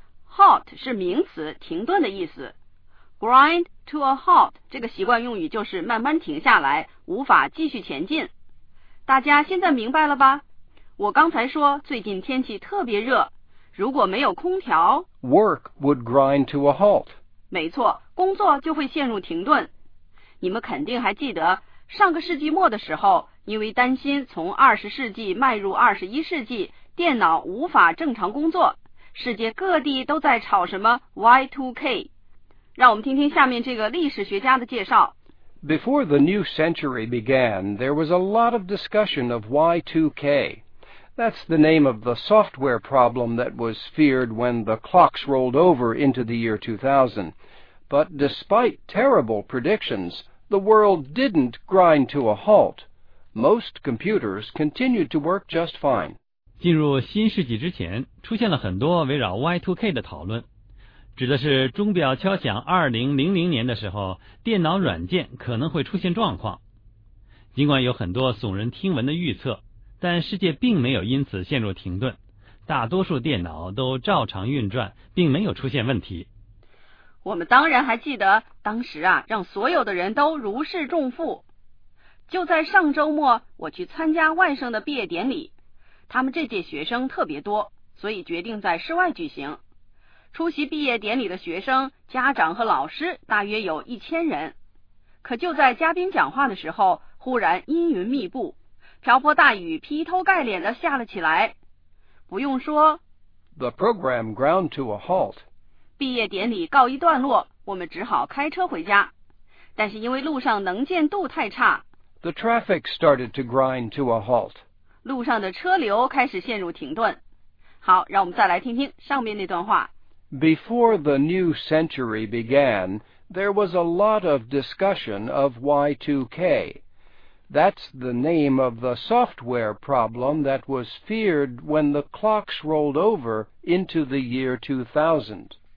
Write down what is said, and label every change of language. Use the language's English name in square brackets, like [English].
[Chinese] Halt 是名词，停顿的意思。 [English] Grind to a halt [Chinese] 这个习惯用语就是慢慢停下来，无法继续前进。大家现在明白了吧？我刚才说最近天气特别热，如果没有空调， [English] Work would grind to a halt. [Chinese] 没错，工作就会陷入停顿。你们肯定还记得上个世纪末的时候，因为担心从20世纪迈入21世纪电脑无法正常工作，世界各地都在吵什么 Y2K。让我们听听下面这个历史学家的介绍。 [English] Before the new century began, there was a lot of discussion of Y2K. That's the name of the software problem that was feared when the clocks rolled over into the year 2000. But despite terrible predictions, the world didn't grind to a halt. Most computers continued to work just fine. [Chinese] 进入新世纪之前，出现了很多围绕 Y2K 的讨论，指的是钟表敲响2000年的时候，电脑软件可能会出现状况。尽管有很多耸人听闻的预测，但世界并没有因此陷入停顿，大多数电脑都照常运转，并没有出现问题。我们当然还记得当时啊，让所有的人都如释重负。就在上周末，我去参加外甥的毕业典礼，他们这届学生特别多，所以决定在室外举行。出席毕业典礼的学生、家长和老师大约有1000人。可就在嘉宾讲话的时候，忽然阴云密布，瓢泼大雨劈头盖脸的下了起来。不用说 [English] The program ground to a halt. [Chinese] 毕业典礼告一段落，我们只好开车回家。但是因为路上能见度太差， [English] The traffic started to grind to a halt. [Chinese] 路上的车流开始陷入停顿。好，让我们再来听听上面那段话。 [English] Before the new century began, There was a lot of discussion of Y2K. That's the name of the software problem that was feared when the clocks rolled over into the year 2000.